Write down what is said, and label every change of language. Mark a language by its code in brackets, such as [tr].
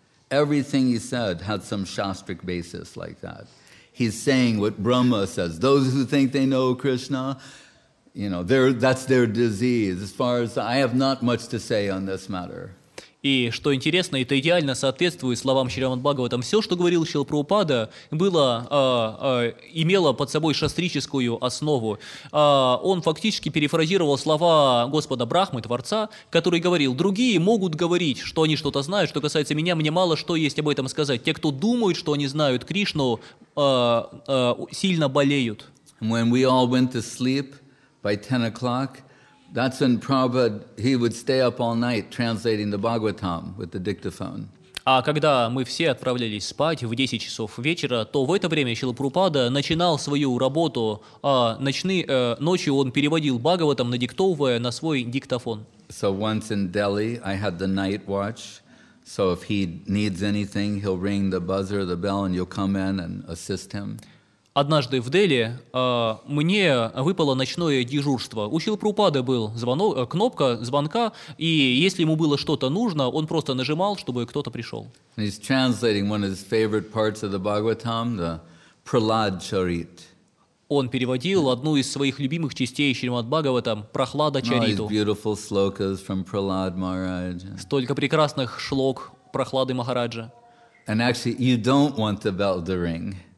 [en] Everything he said had some shastric basis like that. He's saying what Brahma says. Those who think they know Krishna, you know, that's their disease. As far as I have not much to say on this matter. [ru] И что интересно, это идеально соответствует словам Шримад Бхагаватам. Все, что говорил Шрила Прабхупада, имело под собой шастрическую основу. Он фактически перефразировал слова Господа Брахмы, Творца, который говорил, другие могут говорить, что они что-то знают, что касается меня, мне мало что есть об этом сказать. Те, кто думают, что они знают Кришну, сильно болеют. [en] When we all went to sleep by 10 o'clock, that's when Prabhupada, he would stay up all night translating the Bhagavatam with the dictaphone. [ru] А когда мы все отправлялись спать в 10 часов вечера, то в это время Шрила Прабхупада начинал свою работу, ночью он переводил Бхагаватам, надиктовывая на свой диктофон. [en] So once in Delhi, I had the night watch, so if he needs anything, he'll ring the buzzer, the bell, and you'll come in and assist him. [ru] Однажды в Дели мне выпало ночное дежурство. У Шрилы Прабхупады был звонок, кнопка звонка, и если ему было что-то нужно, он просто нажимал, чтобы кто-то пришел. [en] He's translating one of his favorite parts of the Bhagavatam, the Prahlad Charit. [ru] Он переводил одну из своих любимых частей Шримад Бхагаватам, Прахлада Чариту. [en] All beautiful slokas from Prahlad Maharaj. [ru] Столько прекрасных шлок Прахлады Махараджа. [en] And actually, you don't want the bell to ring.